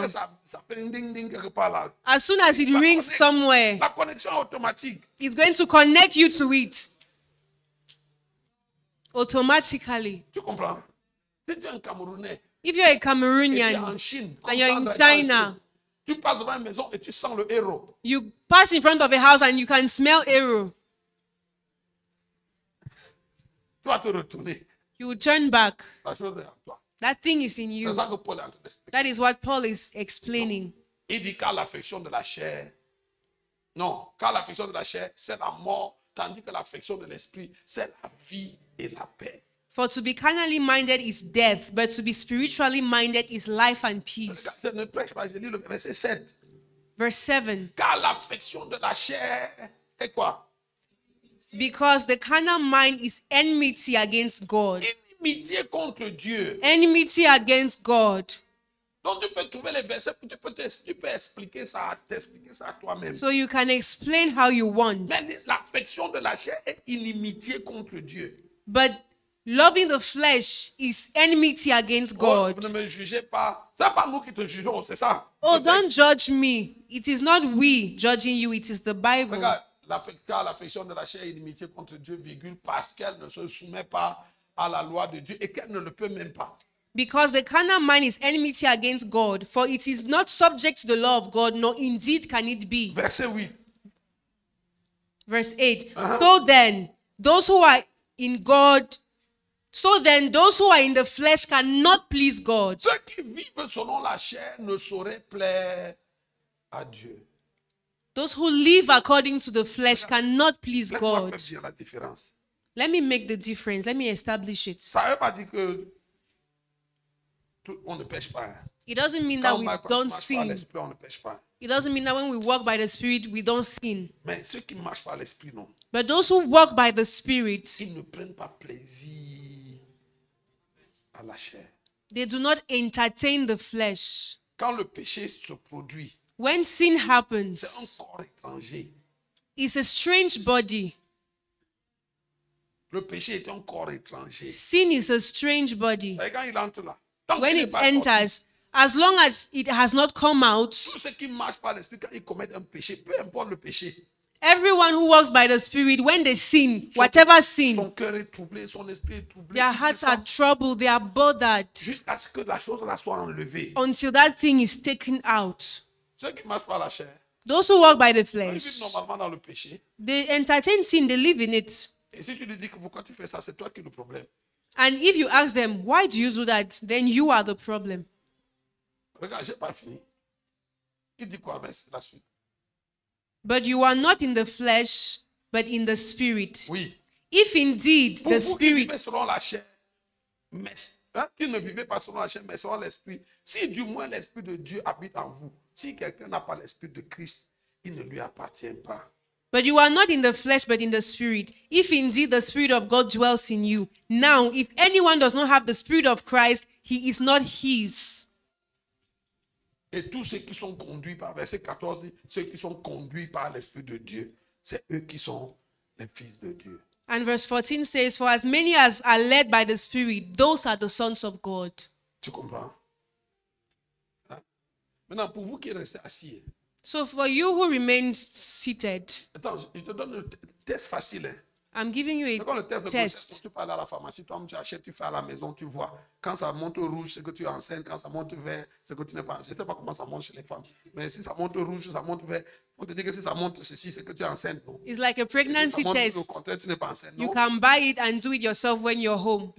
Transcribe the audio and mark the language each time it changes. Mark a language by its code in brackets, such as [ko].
[fr] là, [en] as soon as it rings connect, somewhere, [fr] la connexion automatique. [en] It's going to connect you to it automatically. [fr] Tu comprends? Si tu es un Camerounais. [en] If you're a Cameroonian and you're in China, [fr] tu passes devant une maison et tu sens le Aero. [en] You pass in front of a house and you can smell Aero. [fr] Tu vas te retourner. [en] You will turn back. [fr] La chose est en toi. [en] That thing is in you. [fr] C'est ça que Paul est en train d'expliquer. [en] That is what Paul is explaining. [fr] Donc, il dit car l'affection de la chair. Non, car l'affection de la chair, c'est la mort, tandis que l'affection de l'esprit, c'est la vie et la paix. [en] For to be carnally minded is death, but to be spiritually minded is life and peace. Verse 7. [fr] Car l'affection de la chair est quoi? [en] Because the carnal mind is enmity against God. [fr] Enmity contre Dieu. [en] Enmity against God. [fr] Donc tu peux trouver les versets, tu peux expliquer ça à toi-même. [en] So you can explain how you want. [fr] Mais l'affection de la chair est inimitié contre Dieu. [en] But loving the flesh is enmity against God. [fr] Oh, ne me jugez pas. C'est pas nous qui te jugeons, c'est ça. [en] Oh, don't judge me. It is not we judging you, it is the Bible. [fr] Regarde, car l'affection de la chair est inimitié contre Dieu, virgule, parce qu'elle ne se soumet pas à la loi de Dieu et qu'elle ne le peut même pas. [en] Because the carnal mind is enmity against God, for it is not subject to the law of God, nor indeed can it be. Verse 8. So then those who are in the flesh cannot please God. [fr] Ceux qui vivent selon la chair ne sauraient plaire à Dieu. [en] Those who live according to the flesh cannot please God. Let me make the difference. Let me establish it. [fr] Ça veut pas dire que tout, on ne pêche pas. [en] It doesn't mean [fr] quand [en] that we don't sin. [fr] On ne pêche pas. [en] It doesn't mean that when we walk by the Spirit, we don't sin. [fr] Mais ceux qui marchent par l'esprit, non. [en] But those who walk by the Spirit, [fr] ils ne prennent pas plaisir à la chair. [en] They do not entertain the flesh. [fr] Quand le péché se produit, [en] when sin happens, [fr] c'est un corps étranger. [en] It's a strange body. [fr] Le péché est un corps étranger. [en] Sin is a strange body. [fr] Et quand il entre là, [en] when it enters, [fr] sorti, [en] as long as it has not come out, [fr] tous ceux qui marchent par l'esprit, quand ils commettent un péché, peu importe le péché, [en] everyone who walks by the Spirit, when they sin, whatever sin, [fr] son cœur est troublé, son esprit est troublé, [en] their hearts are troubled, they are bothered, [fr] jusqu'à ce que la chose là soit enlevée, [en] until that thing is taken out. [fr] Ceux qui marchent par la chair, [en] those who walk by the flesh, [fr] ils vivent normalement dans le péché, [en] they entertain sin, they live in it. [fr] Et si tu lui dis que pourquoi tu fais ça, c'est toi qui le problème. [en] And if you ask them, why do you do that? Then you are the problem. [fr] Regarde, j'ai pas fini. Il dit quoi, mais c'est la suite. [en] But you are not in the flesh, but in the Spirit. [fr] Oui. [en] If indeed [fr] pour [en] the [fr] vous, [en] Spirit... [fr] Pour vous, qui vivez selon la chair, mais... Hein, qui ne vivez pas selon la chair, mais selon l'Esprit. Si du moins l'Esprit de Dieu habite en vous, si quelqu'un n'a pas l'Esprit de Christ, il ne lui appartient pas. [en] But you are not in the flesh, but in the Spirit. If indeed the Spirit of God dwells in you. Now, if anyone does not have the Spirit of Christ, he is not his. [fr] Et tous ceux qui sont conduits par, verset 14 dit, ceux qui sont conduits par l'Esprit de Dieu, c'est eux qui sont les fils de Dieu. [en] And verse 14 says, for as many as are led by the Spirit, those are the sons of God. [fr] Tu comprends? Hein? Maintenant, pour vous qui restez assis, [en] so for you who remain seated, [fr] attends, je te donne un test facile, hein. [en] I'm giving you a [fr] c'est quoi le test. [en] Test. [fr] Tu parles à la pharmacie, toi, tu achètes, tu fais à la maison, tu vois. Quand ça monte rouge, c'est que tu es enceinte. Quand ça monte vert, c'est que tu n'es pas enceinte. Je ne sais pas comment ça monte chez les femmes. Mais si ça monte rouge, ça monte vert. On te dit que si ça monte ceci, c'est que tu es enceinte. Non? [en] It's like a pregnancy [fr] si ça monte, [en] test. [fr] Au contraire, tu n'es pas enceinte. Non? [en] You can buy it and do it yourself when you're home.